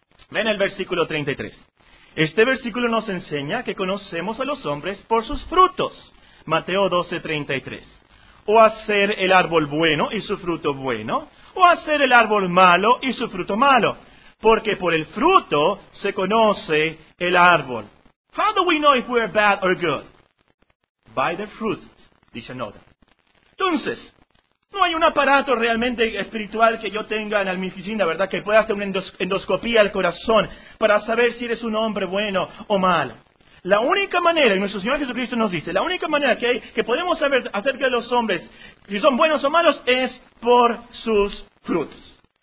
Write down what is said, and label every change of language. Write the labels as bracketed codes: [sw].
[es] Ven el versículo 33. Este versículo nos enseña que conocemos a los hombres por sus frutos. Mateo 12, 33. O hacer el árbol bueno y su fruto bueno, o hacer el árbol malo y su fruto malo. Porque por el fruto se conoce el árbol. [en] How do we know if we are bad or good? By the fruits, [es] dice Noda. Entonces, no hay un aparato realmente espiritual que yo tenga en mi oficina, ¿verdad?, que pueda hacer una endoscopía al corazón para saber si eres un hombre bueno o malo. La única manera, y nuestro Señor Jesucristo nos dice, la única manera que podemos saber acerca de los hombres si son buenos o malos es por sus frutos.